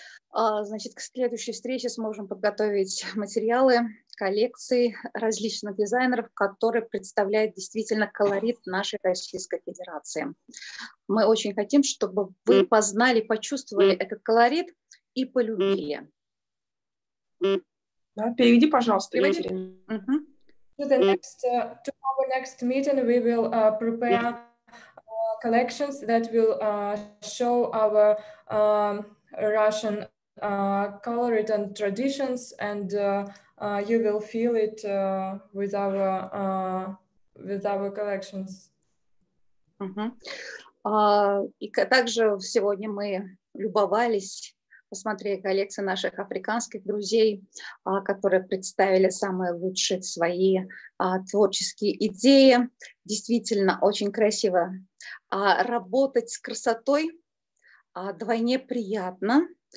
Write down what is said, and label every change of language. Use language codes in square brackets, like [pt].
[ru] Значит, к следующей встрече сможем подготовить материалы, коллекции различных дизайнеров, которые представляют действительно колорит нашей Российской Федерации. Мы очень хотим, чтобы вы познали, почувствовали этот колорит и полюбили. Да, переведи, пожалуйста, Екатерина. [en] To the next, to our next meeting, we will prepare collections that will show our Russian colorit and traditions, and you will feel it with our collections. [ru] И также сегодня мы любовались. Посмотрели коллекции наших африканских друзей, которые представили самые лучшие свои творческие идеи. Действительно, очень красиво. Работать с красотой вдвойне приятно.